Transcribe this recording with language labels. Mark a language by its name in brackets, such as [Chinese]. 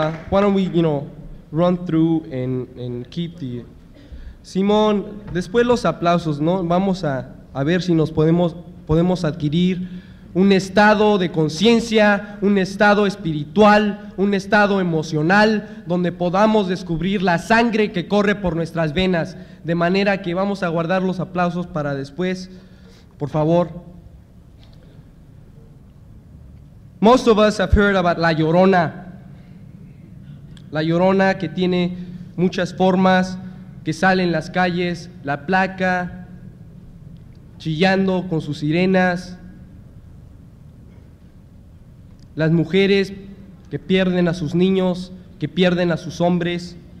[English] Why don't we, you know, run through and keep the Simón. [Spanish] Después los aplausos, ¿no? Vamos a ver si nos podemos adquirir un estado de conciencia, un estado espiritual, un estado emocional, donde podamos descubrir la sangre que corre por nuestras venas, de manera que vamos a guardar los aplausos para después, por favor. [English] Most of us have heard about La Llorona. [Spanish] La Llorona, que tiene muchas formas, que sale en las calles, la placa, chillando con sus sirenas. Las mujeres que pierden a sus niños, que pierden a sus hombres.